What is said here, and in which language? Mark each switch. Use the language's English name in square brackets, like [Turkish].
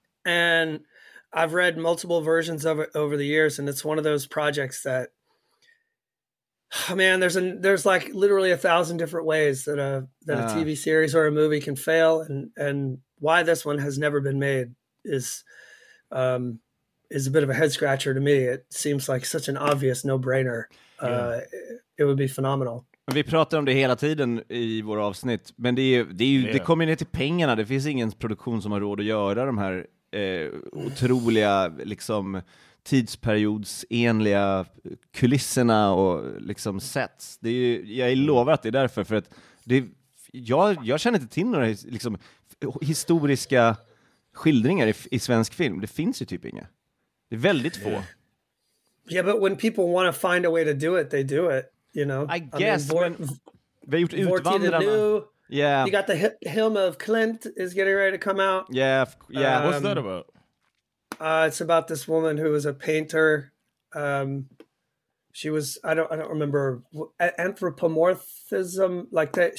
[English] And I've read multiple versions of it over the years, and it's one of those projects that, man, there's like literally a thousand different ways that a TV series or a movie can fail, and why this one has never been made is a bit of a head scratcher to me. It seems like such an obvious no brainer. It would be phenomenal. [Swedish] Vi pratar om det hela tiden i våra avsnitt, men det kommer ju ner till pengarna. Det finns ingen produktion som har råd att göra de här otroliga liksom tidsperiodsenliga kulisserna och liksom sets. Det är ju, jag lovar att det är därför, för att jag känner inte till några liksom historiska skildringar i svensk film. Det finns ju typ inga. Det är väldigt få. [English] Yeah, but when people want to find a way to do it, they do it, you know. I guess [Swedish] vi har gjort Utvandrarna. [English] Yeah. You got the Helm of Klint is getting ready to come out. Yeah. What's that about? It's about this woman who was a painter. She was, I don't remember, anthropomorphism, like that.